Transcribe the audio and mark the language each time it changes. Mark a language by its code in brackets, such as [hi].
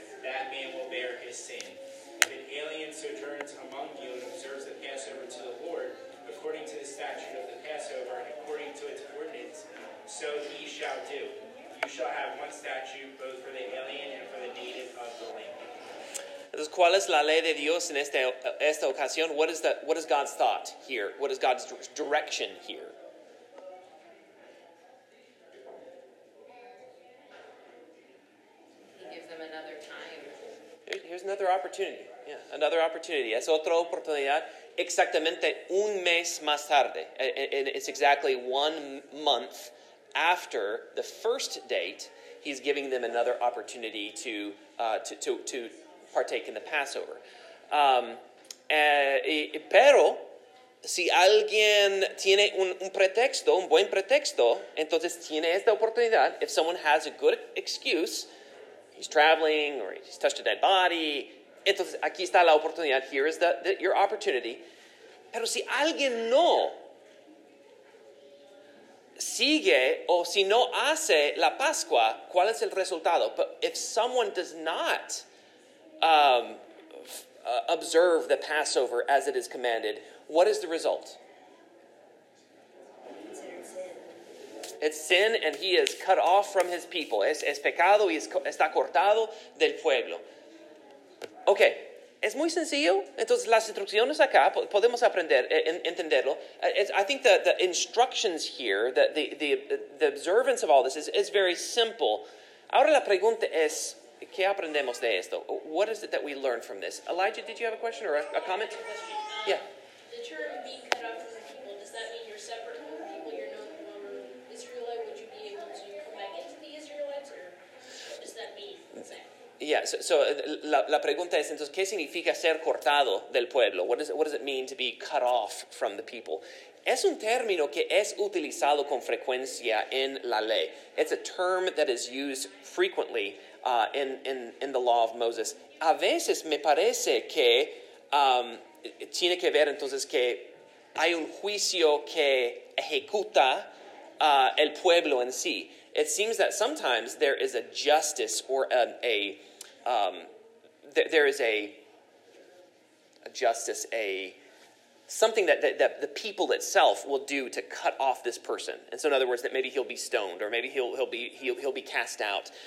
[en] That man will bear his sin. If an alien sojourns among you and observes the Passover to the Lord, according to the statute of the Passover and according to its ordinance, so he shall do. You shall have one statute, both for the alien and for the native of the land. [es] Entonces, ¿cuál es la ley de Dios en esta ocasión? [en] What is God's thought here? What is God's direction here? He gives them another time. Here's another opportunity. Yeah, another opportunity. [es] Es otra oportunidad. Exactamente un mes más tarde. [en] And it's exactly 1 month after the first date, he's giving them another opportunity to partake in the Passover. [es] Pero si alguien tiene un pretexto, un buen pretexto, entonces tiene esta oportunidad. [en] If someone has a good excuse, he's traveling or he's touched a dead body, [es] entonces aquí está la oportunidad. [en] Here is your opportunity. [es] Pero si alguien no sigue o si no hace la Pascua, ¿cuál es el resultado? [en] But if someone does not observe the Passover as it is commanded, what is the result? It's sin and he is cut off from his people. [es] Es pecado y está cortado del pueblo. Okay, es muy sencillo. Entonces las instrucciones acá podemos aprender, entenderlo. [en] I think the instructions here, the observance of all this is very simple. [es] Ahora la pregunta es, ¿qué aprendemos de esto? [en] What is it that we learn from this? Elijah, did you have a question or a comment? Yeah. The term being cut off from the people, does that mean you're separate from the people? You're no longer Israelite? Would you be able to come back into the Israelites? Or what does that mean? Yeah, so [es] la pregunta es, entonces, ¿qué significa ser cortado del pueblo? [en] What does it mean to be cut off from the people? [es] Es un término que es utilizado con frecuencia en la ley. [en] It's a term that is used frequently in the law of Moses. [es] A veces me parece que tiene que ver entonces que hay un juicio que ejecuta el pueblo en sí. [en] It seems that sometimes there is a justice or there is a a justice, a something that, that the people itself will do to cut off this person. And so in other words, that maybe he'll be stoned or maybe he'll be cast out.